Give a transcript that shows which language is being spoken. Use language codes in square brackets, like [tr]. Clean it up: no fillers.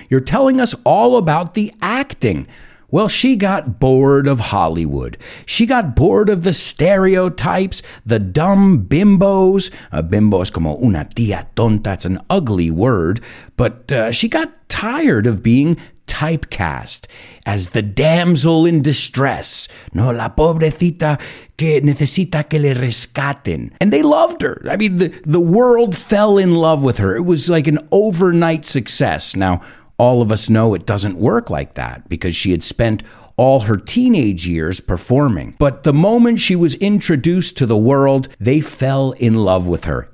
[en] You're telling us all about the acting. Well, she got bored of Hollywood. She got bored of the stereotypes, the dumb bimbos. [es] A bimbo es como una tía tonta. [en] That's an ugly word. But she got tired of being typecast as the damsel in distress. [es] No, la pobrecita que necesita que le rescaten. [en] And they loved her. I mean, the world fell in love with her. It was like an overnight success. Now, all of us know it doesn't work like that because she had spent all her teenage years performing. But the moment she was introduced to the world, they fell in love with her.